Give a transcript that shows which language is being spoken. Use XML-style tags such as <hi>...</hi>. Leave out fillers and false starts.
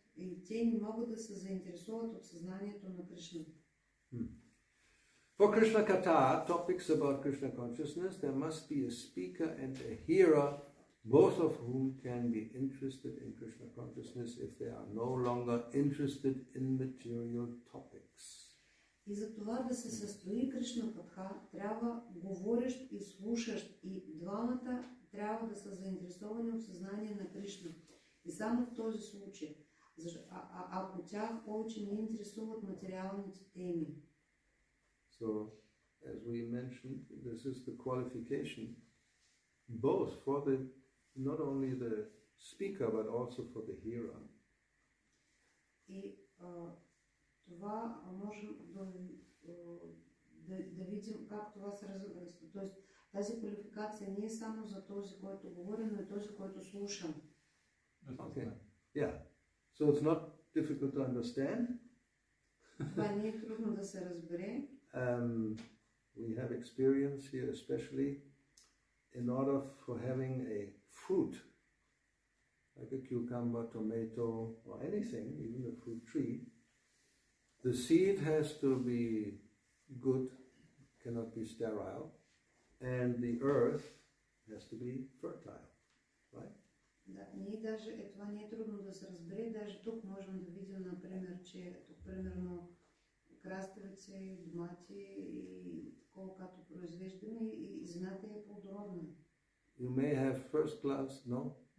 <bg>И те не могат да се заинтересуват от съзнанието на Кришна.</bg> <en>For Krishna Katha, topics about Krishna consciousness, there must be a speaker and a hearer, both of whom can be interested in Krishna consciousness if they are no longer interested in material topics.</en> <bg>И за това да се състои Кришна Катха, трябва говорещ и слушащ, и двамата трябва да са заинтересовани от съзнание на Кришна. И само в този случай, ако тях повече не интересуват материалните теми.</bg> <en>So, as we mentioned, this is the qualification, both for the, not only the speaker, but also for the hearer.</en> <bg>И това можем да видим как това се развива. Тоест тази квалификация не е само за този, който говори, но и този, който слуша.</bg> <en>Okay. Yeah. So it's not difficult to understand.</en> <bg>Това не е трудно да се разбере.</bg> <en>We have experience here, especially in order for having a fruit, like a cucumber, tomato, or anything, even a fruit tree. The seed has to be good, cannot be sterile, and the earth has to be fertile, right?</en> <bg>Да, ние даже, това не е трудно да се разбере, даже тук можем да видим, например, че тук, примерно, краставици, домати и такова, като произвеждаме, и земята е плодородна.</bg> <en>You may have first class, no?</en>